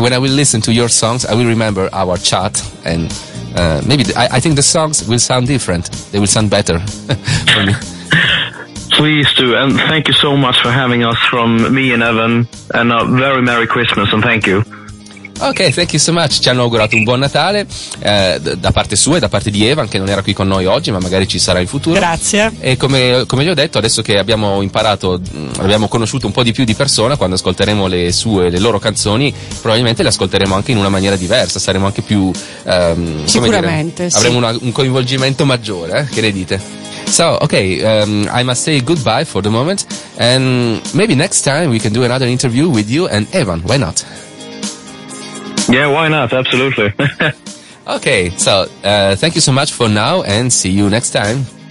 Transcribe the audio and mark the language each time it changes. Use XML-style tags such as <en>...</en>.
<en>When I will listen to your songs, I will remember our chat, and maybe I think the songs will sound different, they will sound better for me. Please do, and thank you so much for having us, from me and Evan, and a very Merry Christmas, and thank you. Okay, thank you so much.</en> <it>Ci hanno augurato un buon Natale da parte sua e da parte di Evan, che non era qui con noi oggi, ma magari ci sarà in futuro. Grazie. E come gli ho detto, adesso che abbiamo imparato, abbiamo conosciuto un po' di più di persona, quando ascolteremo le sue, le loro canzoni, probabilmente le ascolteremo anche in una maniera diversa, saremo anche più sicuramente, come dire, avremo un coinvolgimento maggiore, che ne dite?</it> <en>So, okay, I must say goodbye for the moment, and maybe next time we can do another interview with you and Evan, why not? Yeah, why not, absolutely. Okay, so thank you so much for now, and see you next time.</en>